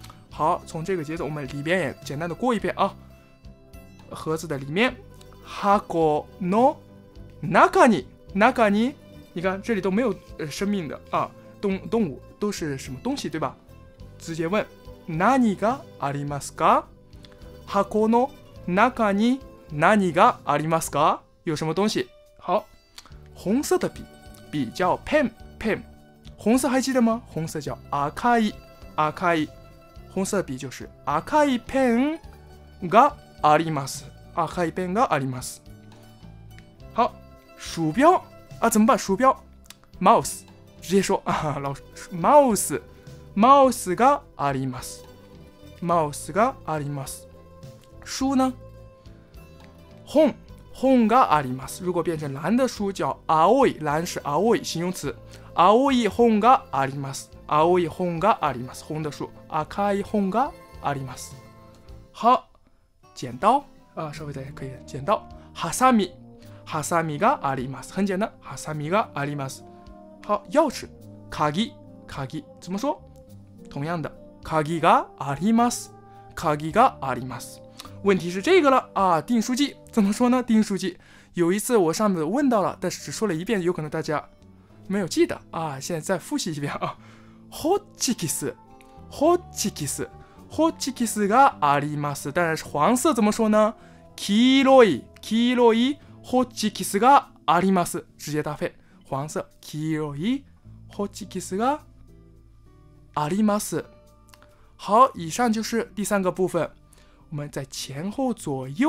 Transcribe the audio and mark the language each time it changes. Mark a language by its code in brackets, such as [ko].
[zh] 好，从这个节奏我们里边也简单的过一遍啊。盒子的里面， [ja] 箱の中に， [zh] 你看这里都没有生命的啊，动物都是什么东西，对吧？直接问。 [ja] 何がありますか？箱の中に何がありますか？ [zh] 有什么东西？好，红色的笔，笔叫ペン。红色还记得吗？红色叫赤い。红色笔就是 [ja] 赤いペンがあります。赤いペンがあります。 [zh] 好，鼠标啊，怎么办？鼠标 ，mouse， 直接说啊，老师 ，mouse。 [ja] mouse があります。mouse があります。 [zh] 书呢？ [ja] 本があります。 [zh] 如果变成蓝的书叫青い，蓝是青い形容词。 [ja] 青い本があります。青い本があります。 [zh] 红的书。 [ja] 赤い本があります。 [zh] 好，剪刀啊，稍微再可以剪刀。 [ja] ハサミ、ハサミがあります。 [zh] 很简单。 [ja] ハサミがあります。 [zh] 好，钥匙。 [ja] カギ、カギ [zh] 怎么说？同样的， [ja] 鍵があります。鍵があります。 [zh] 问题是这个了啊，订书机怎么说呢？订书机，有一次我上次问到了，但是只说了一遍，有可能大家没有记得啊。现在再复习一遍啊。 [ja] ホッチキス、ホッチキス、ホッチキスがあります。 [zh] 当然是黄色，怎么说呢？黄色、黄色、 [ja] ホッチキスがあります。 [zh] 直接搭配黄色、黄色、ホッチキスが。 [ja] あります。 [zh] 好，以上就是第三个部分。我们在前后左右上下加在里面，在什么什么的地方，